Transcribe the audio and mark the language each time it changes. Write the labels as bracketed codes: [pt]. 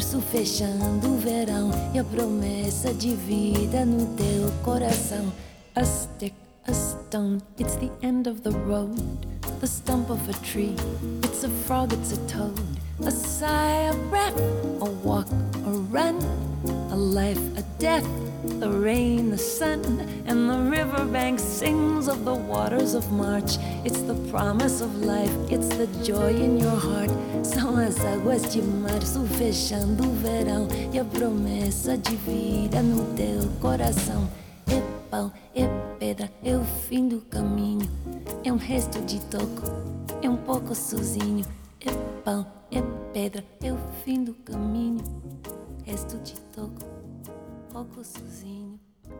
[pt] Fechando o verão e a promessa de vida no teu coração. [en] A stick, a stone, it's the end of the road. The stump of a tree, it's a frog, it's a toad. A sigh, a breath, a walk, a run. A life, a death, the rain, the sun. And the riverbank sings of the waters of March. It's the promise of life, it's the joy in your heart. [pt] São as águas de março fechando o verão e a promessa de vida no teu coração. É pau, é pedra, é o fim do caminho. É um resto de toco, é um pouco sozinho. É pau, é pedra, é o fim do caminho. Resto de toco, pouco sozinho.